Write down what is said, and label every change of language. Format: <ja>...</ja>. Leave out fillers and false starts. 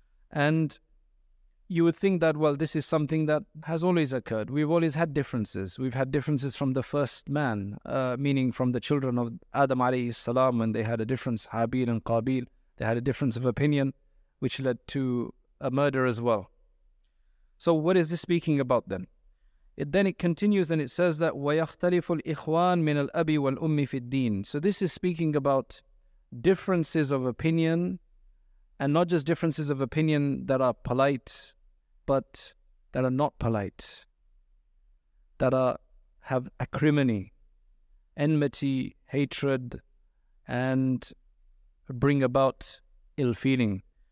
<en>And you would think that, well, this is something that has always occurred. We've always had differences. We've had differences from the first man, meaning from the children of Adam alayhi salam, when they had a difference, Habil and Qabil, they had a difference of opinion, which led to a murder as well. So what is this speaking about then? It continues and it says that</en> <ar>وَيَخْتَلِفُ الْإِخْوَانِ مِنَ الْأَبِي وَالْأُمِّ فِي الدِّينِ.</ar> <en>So this is speaking about differences of opinion, and not just differences of opinion that are polite, but that are not polite, that have acrimony, enmity, hatred, and bring about ill feeling.</en>